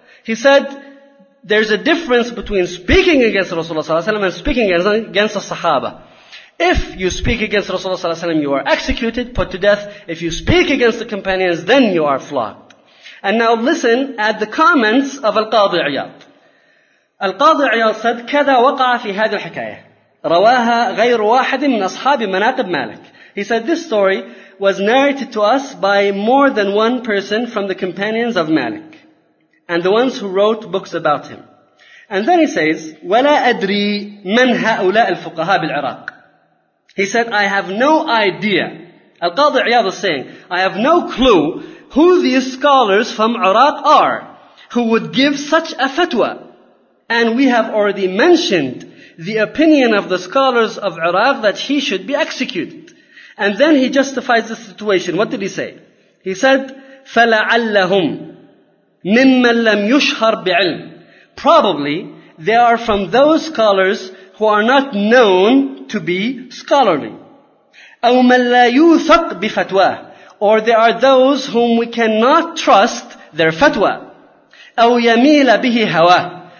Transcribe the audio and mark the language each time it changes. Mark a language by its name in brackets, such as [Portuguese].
[English] He said, there's a difference between speaking against Rasulullah sallallahu alaihi wasallam and speaking against the Sahaba. If you speak against Rasulullah sallallahu alaihi wasallam, you are executed, put to death. If you speak against the companions, then you are flogged. And now listen at the comments of Al-Qadi Iyad. Al-Qadi Iyad said, [Arabic] كَذَا وَقَعَ فِي هَذِي الْحِكَايَةِ رَوَاهَا غَيْرُ وَاحَدٍ مِنْ أَصْحَابِ مَنَاقِبْ مَالِكِ. [English] He said, this story was narrated to us by more than one person from the companions of Malik, and the ones who wrote books about him. And then he says, [Arabic] وَلَا أَدْرِي مَنْ هَؤُلَاءِ الْفُقَهَا بِالْعِرَاقِ. [English] He said, I have no idea. Al-Qadi Iyad is saying, I have no clue who these scholars from Iraq are who would give such a fatwa. And we have already mentioned the opinion of the scholars of Iraq that he should be executed. And then he justifies the situation. What did he say? He said, [Arabic] فَلَعَلَّهُمْ مِمَّنْ لَمْ يُشْهَرْ بِعِلْمٍ. [English] Probably, they are from those scholars who are not known to be scholarly. [Arabic] أَوْ مَنْ لَا يُوثَقْ بِفَتْوَاهِ. [English] Or they are those whom we cannot trust their fatwa. [Arabic] أَوْ يَمِيلَ بِهِ هَوَاهِ.